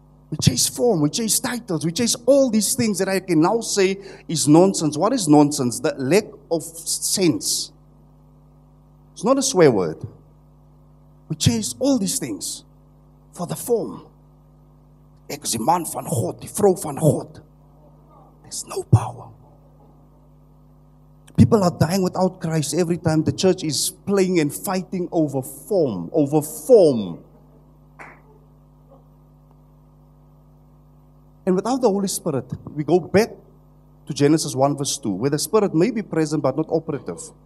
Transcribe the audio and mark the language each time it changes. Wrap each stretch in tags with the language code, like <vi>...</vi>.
<en>We chase form, we chase titles, we chase all these things that I can now say is nonsense. What is nonsense? The lack of sense. It's not a swear word. We chase all these things for the form.</en> <af>Ek is die man van God, die vrou van God.</af> <en>There's no power. People are dying without Christ every time the church is playing and fighting over form, over form. And without the Holy Spirit, we go back to Genesis 1 verse 2, where the Spirit may be present but not operative.</en>